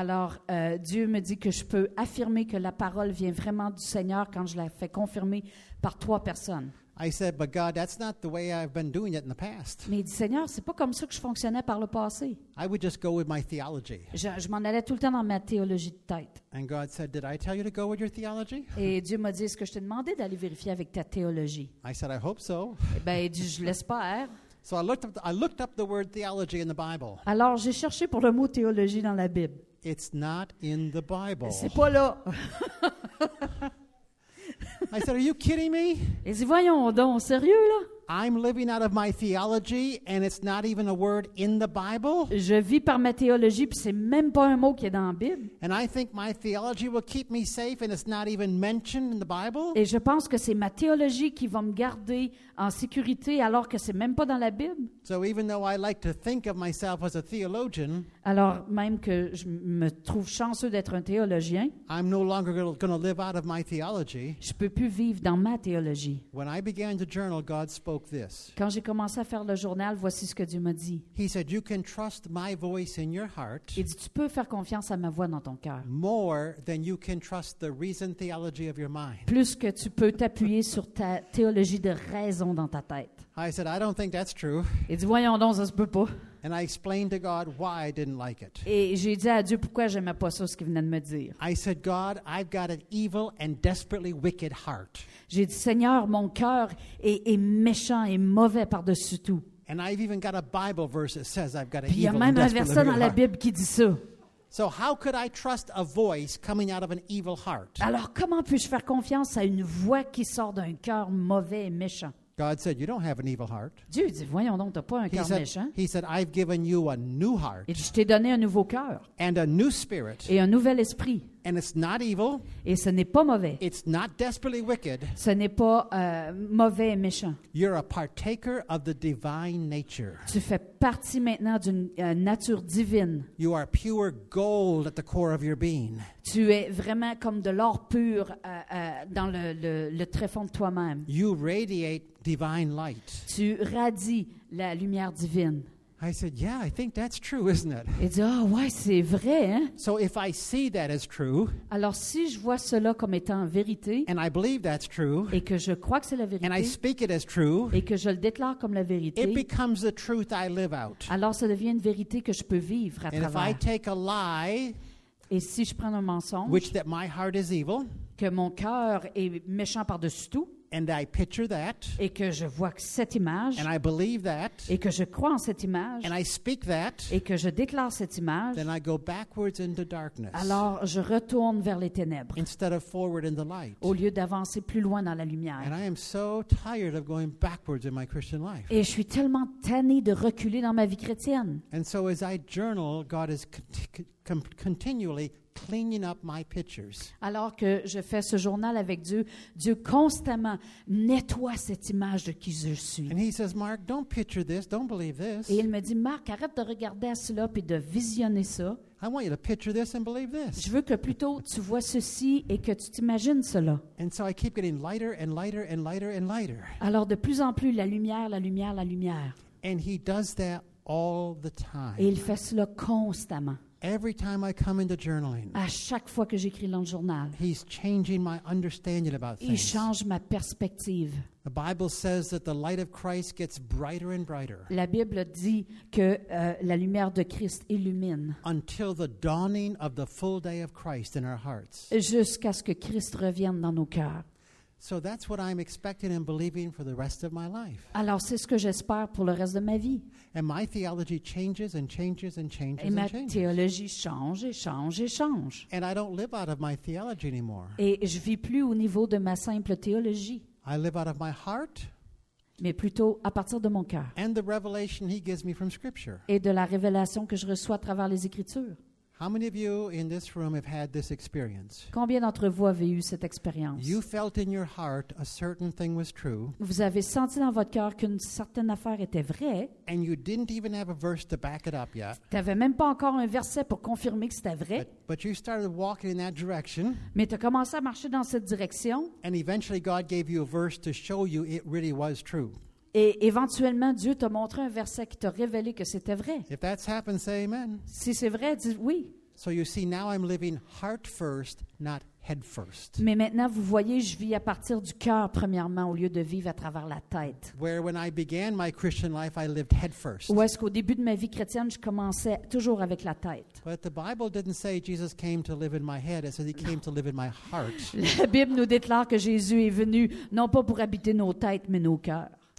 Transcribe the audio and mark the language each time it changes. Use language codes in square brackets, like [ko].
[fr] Alors Dieu me dit que je peux affirmer que la parole vient vraiment du Seigneur quand je la fais confirmer par trois personnes. [en] I said, but God, that's not the way I've been doing it in the past. [fr] Mais il dit, Seigneur, c'est pas comme ça que je fonctionnais par le passé. [en] I would just go with my theology. [fr] Je m'en allais tout le temps dans ma théologie de tête. [en] And God said, did I tell you to go with your theology? [fr] Et Dieu m'a dit, est-ce que je t'ai demandé d'aller vérifier avec ta théologie? [en] I said, I hope so. [fr] Et ben, il dit, je l'espère. [en] So I looked up the word theology in the Bible. [fr] Alors, j'ai cherché pour le mot théologie dans la Bible. [en] It's not in the Bible. [fr] C'est pas là. [en] I said, are you kidding me? [fr] Et dit, voyons donc, sérieux là? [en] I'm living out of my theology and it's not even a word in the Bible. [fr] Je vis par ma théologie puis c'est même pas un mot qui est dans la Bible. [en] And I think my theology will keep me safe and it's not even mentioned in the Bible. [fr] Et je pense que c'est ma théologie qui va me garder en sécurité alors que c'est même pas dans la Bible. [en] So even though I like to think of myself as a theologian, [fr] alors même que je me trouve chanceux d'être un théologien, [en] I'm no longer going to live out of my theology. [fr] Je peux plus vivre dans ma théologie. [en] When I began to journal, God spoke this. [fr] Quand j'ai commencé à faire le journal, voici ce que Dieu m'a dit. [en] He said, you can trust my voice in your heart. [fr] Il dit, tu peux faire confiance à ma voix dans ton cœur. [en] More than you can trust the reason theology of your mind. [fr] Plus que tu peux t'appuyer sur ta théologie de raison dans ta tête. [en] I said, I don't think that's true. [fr] Il dit, voyons donc, ça se peut pas. [en] And I explained to God why I didn't like it. [fr] Et j'ai dit à Dieu pourquoi j'aimais pas ça ce qu'il venait de me dire. [en] I said, God, I've got an evil and desperately wicked heart. [fr] J'ai dit, Seigneur, mon cœur est méchant et mauvais par-dessus tout. [en] And I've even got a Bible verse that says I've got an evil and desperately wicked heart. [fr] Il y a même un verset dans la Bible qui dit ça. [en] So how could I trust a voice coming out of an evil heart? [fr] Alors comment puis-je faire confiance à une voix qui sort d'un cœur mauvais et méchant? [en] God said, you don't have an evil heart. [fr] Dieu dit, voyons donc, t'as pas un cœur méchant. [en] He said, I've given you a new heart. [fr] Et je t'ai donné un nouveau cœur. [en] And a new spirit. [fr] Et un nouvel esprit. [en] And it's not evil. [fr] Et ce n'est pas mauvais. [en] It's not desperately wicked. [fr] Ce n'est pas mauvais et méchant. [en] You're a partaker of the divine nature. [fr] Tu fais partie maintenant d'une nature divine. [en] You are pure gold at the core of your being. [fr] Tu es vraiment comme de l'or pur dans le tréfonds de toi-même. [en] You radiate divine light. [fr] Tu radies la lumière divine. [en] I said, yeah, I think that's true, isn't it? [fr] Il dit, oh, ouais, c'est vrai, hein? [en] So if I see that as true, [fr] alors si je vois cela comme étant vérité, [en] and I believe that's true, [fr] et que je crois que c'est la vérité, [en] and I speak it as true, [fr] et que je le déclare comme la vérité, [en] it becomes the truth I live out. [fr] Alors ça devient une vérité que je peux vivre à [en] and [fr] travers. [en] If I take a lie, [fr] et si je prends un mensonge, [en] which that my heart is evil, [fr] que mon cœur est méchant par-dessus tout, [en] and I picture that, [fr] et que je vois cette image, [en] and I believe that, [fr] et que je crois en cette image, [en] and I speak that, [fr] et que je déclare cette image, [en] then I go backwards into darkness, [fr] alors je retourne vers les ténèbres, [en] instead of forward in the light, [fr] au lieu d'avancer plus loin dans la lumière. [en] And I am so tired of going backwards in my Christian life. [fr] Et je suis tellement tanné de reculer dans ma vie chrétienne. [en] And so as I journal, God is continually cleaning up my pictures. [fr] Alors que je fais ce journal avec Dieu, Dieu constamment nettoie cette image de qui je suis. [en] And he says, Mark, don't picture this, don't believe this. [fr] Et il me dit, Mark, arrête de regarder à cela puis de visionner ça. [en] I want you to picture this and believe this. [fr] Je veux que plutôt tu vois ceci et que tu t'imagines cela. [en] And so I keep getting lighter and lighter and lighter and lighter. [fr] Alors de plus en plus la lumière, la lumière, la lumière. [en] And he does that all the time. [fr] Et il fait cela constamment. [en] Every time I come into journaling, [fr] à chaque fois que j'écris dans le journal, [en] he's changing my understanding about things. [fr] Il change ma perspective. [en] The Bible says that the light of Christ gets brighter and brighter. [fr] La Bible dit que la lumière de Christ illumine. [en] Until the dawning of the full day of Christ in our hearts. [fr] Jusqu'à ce que Christ revienne dans nos cœurs. [en] So that's what I'm expecting and believing for the rest of my life. [fr] Alors c'est ce que j'espère pour le reste de ma vie. [en] And my theology changes and changes and changes and changes. [fr] Et ma théologie change et change et change. [en] And I don't live out of my theology anymore. [fr] Et je vis plus au niveau de ma simple théologie. [en] I live out of my heart. [fr] mais plutôt à partir de mon cœur. [en] And the revelation he gives me from scripture. [fr] Et de la révélation que je reçois à travers les Écritures. [en] How many of you in this room have had this experience? [fr] Combien d'entre vous avez eu cette expérience? [en] You felt in your heart a certain thing was true. [fr] Vous avez senti dans votre cœur qu'une certaine affaire était vraie. [en] And you didn't even have a verse to back it up yet. [fr] Tu n'avais même pas encore un verset pour confirmer que c'était vrai. [en] But you started walking in that direction. [fr] Mais tu as commencé à marcher dans cette direction. [en] And eventually God gave you a verse to show you it really was true. [fr] Et éventuellement, Dieu t'a montré un verset qui t'a révélé que c'était vrai. [en] If that's happened, say amen. [fr] Si c'est vrai, dis oui. [en] So you see, now I'm living heart first, not head first. [fr] Mais maintenant, vous voyez, je vis à partir du cœur premièrement au lieu de vivre à travers la tête. [en] Where when I began my Christian life, I lived head first. [fr] Où est-ce qu'au début de ma vie chrétienne, je commençais toujours avec la tête. [en] But the Bible didn't say Jesus came to live in my head, it said he came to live in my heart. [fr] La Bible nous déclare que Jésus est venu non pas pour habiter nos têtes, mais nos cœurs.